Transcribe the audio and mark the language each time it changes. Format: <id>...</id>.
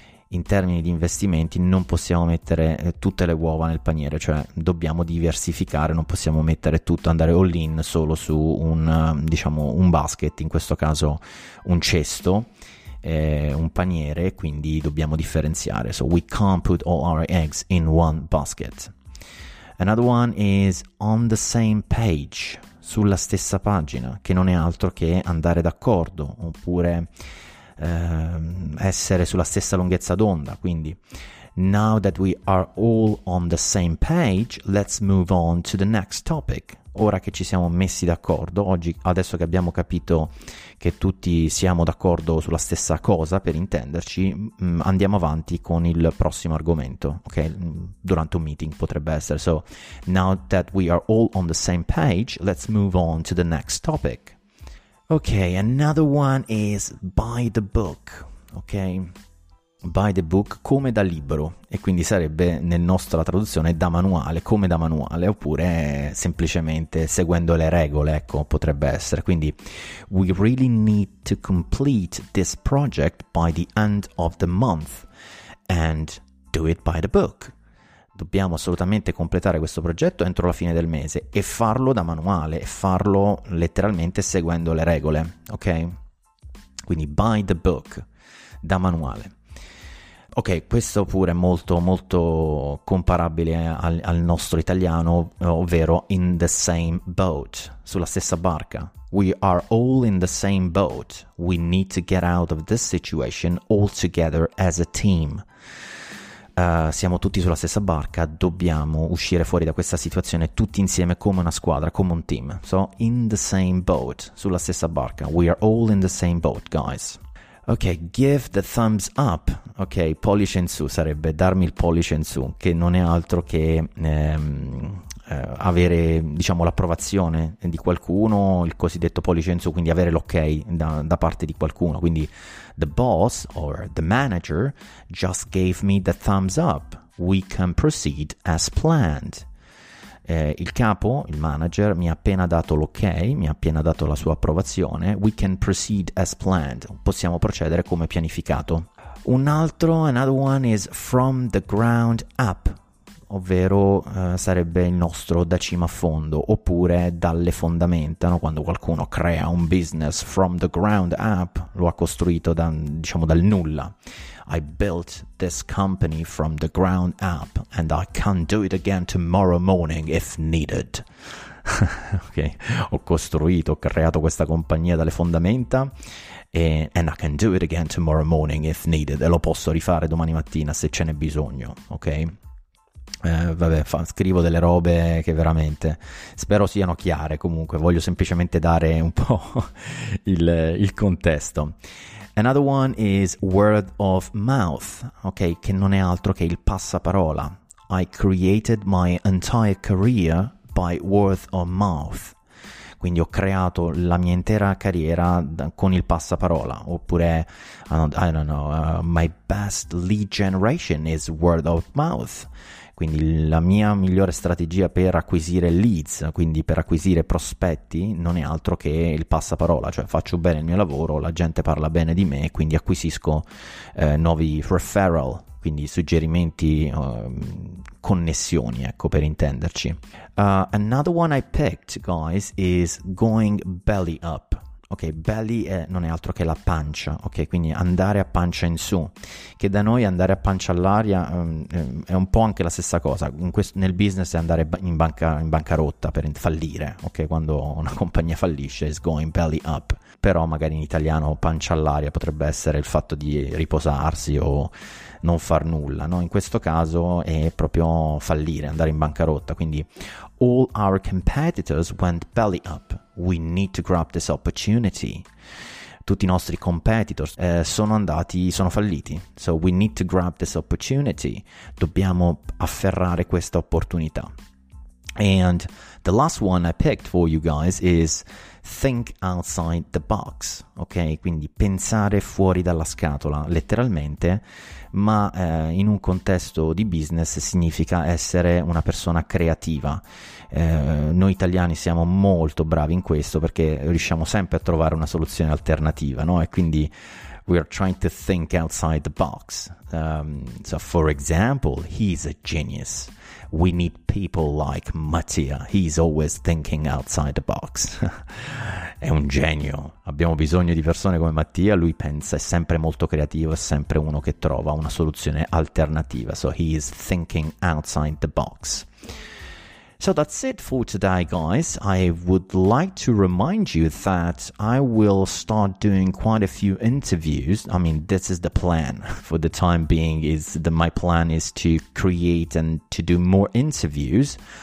<it>In termini di investimenti non possiamo mettere tutte le uova nel paniere, cioè dobbiamo diversificare, non possiamo mettere tutto, andare all in solo su un, diciamo, un basket, in questo caso un cesto, un paniere, quindi dobbiamo differenziare.</it> <en>So we can't put all our eggs in one basket. Another one is on the same page,</en> <it>sulla stessa pagina, che non è altro che andare d'accordo, oppure essere sulla stessa lunghezza d'onda.</it> <en>Quindi now that we are all on the same page, let's move on to the next topic.</en> <it>Ora che ci siamo messi d'accordo, oggi, adesso che abbiamo capito che tutti siamo d'accordo sulla stessa cosa, per intenderci, andiamo avanti con il prossimo argomento, ok? Durante un meeting potrebbe essere.</it> <en>So now that we are all on the same page, let's move on to the next topic. Ok, another one is by the book, ok? By the book,</en> <it>come da libro, e quindi sarebbe nel nostro la traduzione da manuale, come da manuale, oppure semplicemente seguendo le regole, ecco, potrebbe essere.</it> <en>Quindi we really need to complete this project by the end of the month and do it by the book.</en> <it>Dobbiamo assolutamente completare questo progetto entro la fine del mese e farlo da manuale, e farlo letteralmente seguendo le regole, ok? Quindi</it> <en>by the book,</en> <it>da manuale. Ok, questo pure è molto molto comparabile al nostro italiano, ovvero</it> <en>in the same boat,</en> <it>sulla stessa barca.</it> <en>We are all in the same boat. We need to get out of this situation all together as a team.</en> <it>Siamo tutti sulla stessa barca, dobbiamo uscire fuori da questa situazione tutti insieme come una squadra, come un team.</it> <en>So, in the same boat,</en> <it>sulla stessa barca.</it> <en>We are all in the same boat, guys. Ok, give the thumbs up.</en> <it>Ok, pollice in su sarebbe darmi il pollice in su, che non è altro che avere, diciamo, l'approvazione di qualcuno, il cosiddetto pollice in su, quindi avere l'ok da parte di qualcuno.</it> <en>Quindi the boss or the manager just gave me the thumbs up, we can proceed as planned.</en> <it>Il capo, il manager, mi ha appena dato l'ok, mi ha appena dato la sua approvazione,</it> <en>we can proceed as planned,</en> <it>possiamo procedere come pianificato.</it> <en>Another one is from the ground up,</en> <it>ovvero sarebbe il nostro da cima a fondo, oppure dalle fondamenta, no? Quando qualcuno crea un business</it> <en>from the ground up,</en> <it>lo ha costruito dal nulla.</it> <en>I built this company from the ground up and I can do it again tomorrow morning if needed. okay.</en> <it>Ho costruito, ho creato questa compagnia dalle fondamenta,</it> <en>and I can do it again tomorrow morning if needed,</en> <it>e lo posso rifare domani mattina se ce n'è bisogno, ok? Scrivo delle robe che veramente spero siano chiare. Comunque voglio semplicemente dare un po' il contesto.</it> <en>Another one is word of mouth,</en> <it>ok, che non è altro che il passaparola.</it> <en>I created my entire career by word of mouth,</en> <it>quindi ho creato la mia intera carriera con il passaparola.</it> <en>Oppure I don't know, my best lead generation is word of mouth.</en> <it>Quindi la mia migliore strategia per acquisire leads, quindi per acquisire prospetti, non è altro che il passaparola, cioè faccio bene il mio lavoro, la gente parla bene di me, quindi acquisisco nuovi referral, quindi suggerimenti, connessioni, ecco, per intenderci.</it> <en>Another one I picked, guys, is going belly up.</en> <it>Ok, belly non è altro che la pancia, ok, quindi andare a pancia in su, che da noi andare a pancia all'aria è un po' anche la stessa cosa. Nel business è andare in bancarotta, per fallire, ok, quando una compagnia fallisce</it> <en>is going belly up,</en> <it>però magari in italiano pancia all'aria potrebbe essere il fatto di riposarsi o non far nulla, no? In questo caso è proprio fallire, andare in bancarotta, quindi</it> <en>all our competitors went belly up. We need to grab this opportunity.</en> <it>Tutti i nostri competitors sono falliti.</it> <en>So we need to grab this opportunity.</en> <it>Dobbiamo afferrare questa opportunità.</it> <en>And the last one I picked for you guys is think outside the box.</en> <it>Ok, quindi pensare fuori dalla scatola, letteralmente, ma in un contesto di business significa essere una persona creativa. Noi italiani siamo molto bravi in questo, perché riusciamo sempre a trovare una soluzione alternativa, no? E quindi</it> <en>we are trying to think outside the box. So for example, he's a genius. We need people like Mattia. He's always thinking outside the box.</en> <it>È un genio. Abbiamo bisogno di persone come Mattia. Lui pensa, è sempre molto creativo, è sempre uno che trova una soluzione alternativa.</it> <en>So he is thinking outside the box. So that's it for today, guys. I would like to remind you that I will start doing quite a few interviews. I mean, this is the plan for the time being, is that my plan is to create and to do more interviews.</en>